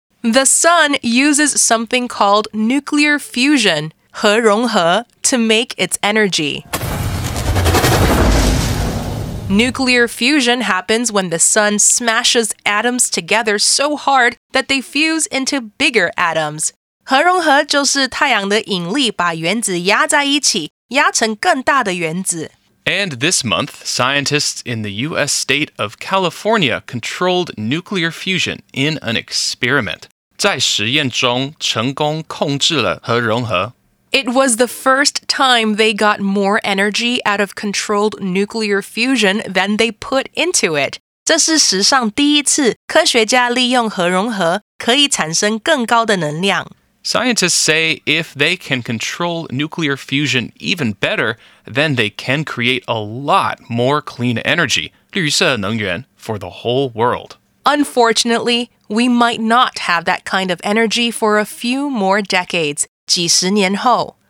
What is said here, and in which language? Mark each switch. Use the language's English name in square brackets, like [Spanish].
[English] The sun uses something called nuclear fusion, [Chinese] 核融合, [English] to make its energy. Nuclear fusion happens when the sun smashes atoms together so hard that they fuse into bigger atoms. [Chinese] 核融合就是太阳的引力把原子压在一起。压成更大的原子。 [English] And this month, scientists in the U.S. state of California controlled nuclear fusion in an experiment. [Chinese] 在实验中成功控制了核融合。 [English] It was the first time they got more energy out of controlled nuclear fusion than they put into it. [Chinese] 这是史上第一次科学家利用核融合可以产生更高的能量。 [English] Scientists say if they can control nuclear fusion even better, then they can create a lot more clean energy, [Chinese] 绿色能源, [English] for the whole world. Unfortunately, we might not have that kind of energy for a few more decades, [Chinese] 几十年后.